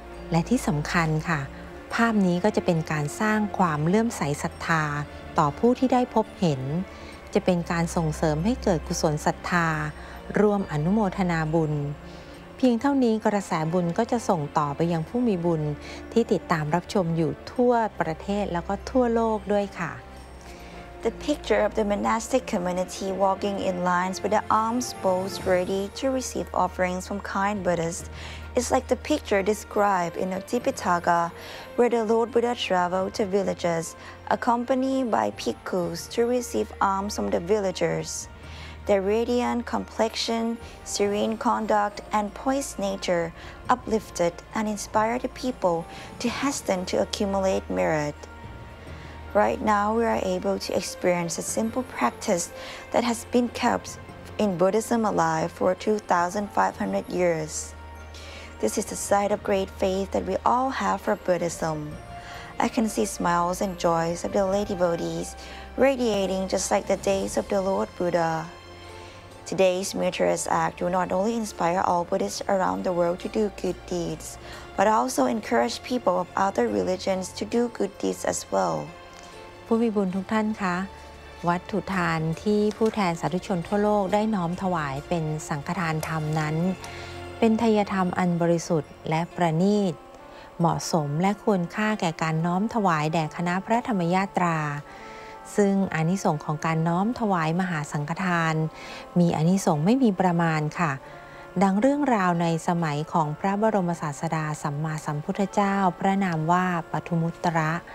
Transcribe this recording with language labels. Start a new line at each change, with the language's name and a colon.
Thai: และที่สำคัญค่ะภาพนี้ก็จะเป็นการสร้างความเลื่อมใสศรัทธาต่อผู้ที่ได้พบเห็นจะเป็นการส่งเสริมให้เกิดกุศลศรัทธาร่วมอนุโมทนาบุญเพียงเท่านี้กระแสบุญก็จะส่งต่อไปยังผู้มีบุญที่ติดตามรับชมอยู่ทั่วประเทศแล้วก็ทั่วโลกด้วยค่ะ
English: The picture of the monastic community walking in lines with their arms posed ready to receive offerings from kind BuddhistsIt's like the picture described in the Tipitaka, where the Lord Buddha traveled to villages accompanied by bhikkhus to receive alms from the villagers. Their radiant complexion, serene conduct, and poised nature uplifted and inspired the people to hasten to accumulate merit. Right now, we are able to experience a simple practice that has been kept in Buddhism alive for 2,500 years. This is the sign of great faith that we all have for Buddhism. I can see smiles and joys of the lady devotees radiating just like the days of the Lord Buddha. Today's Meritorious Act will not only inspire all Buddhists around the world to do good deeds, but also encourage people of other religions to do good deeds as well.
Thai: ผู้มีบุญทุกท่านคะวัตถุทานที่ผู้แทนสาธุชนทั่วโลกได้น้อมถวายเป็นสังฆทานธรรมนั้นเป็นทายธรรมอันบริสุทธิ์และประณีตเหมาะสมและควรค่าแก่การน้อมถวายแด่คณะพระธรรมยาตราซึ่งอานิสงส์ของการน้อมถวายมหาสังฆทานมีอานิสงส์ไม่มีประมาณค่ะดังเรื่องราวในสมัยของพระบรมศาสดาสัมมาสัมพุทธเจ้าพระนามว่าปทุมุตระ